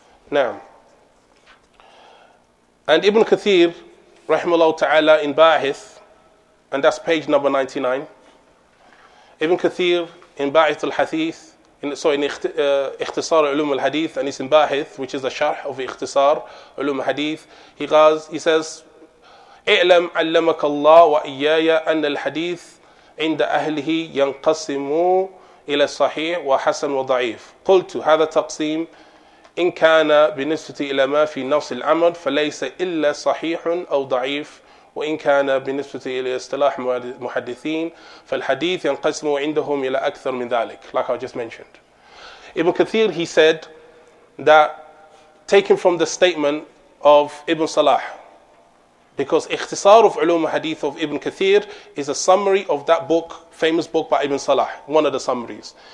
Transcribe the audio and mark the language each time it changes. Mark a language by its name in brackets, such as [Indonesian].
[English] Now, and Ibn Kathir, rahimahullah ta'ala, in Ba'ith, and that's page number 99, Ibn Kathir in Ba'ith al-Hadith, Ikhtisar Ulum al-Hadith, and it's in Ba'ith, which is a sharh of Ikhtisar Ulum al-Hadith, he says, [Arabic] اعلم علمك الله وإيايا أن الحديث عند أهله ينقسم إلى صحيح وحسن وضعيف. قلت هذا تقسيم إن كان بالنسبة إلى ما في نفس الأمر فليس إلا صحيح أو ضعيف. وإن كان بالنسبة إلى اصطلاح محدثين فالحديث ينقسم عندهم إلى أكثر من ذلك. [English] Like I just mentioned, Ibn Kathir, he said that taken from the statement of Ibn Salah, because Ikhtisar of Ulum Hadith of Ibn Kathir is a summary of that book, famous book by Ibn Salah, one of the summaries.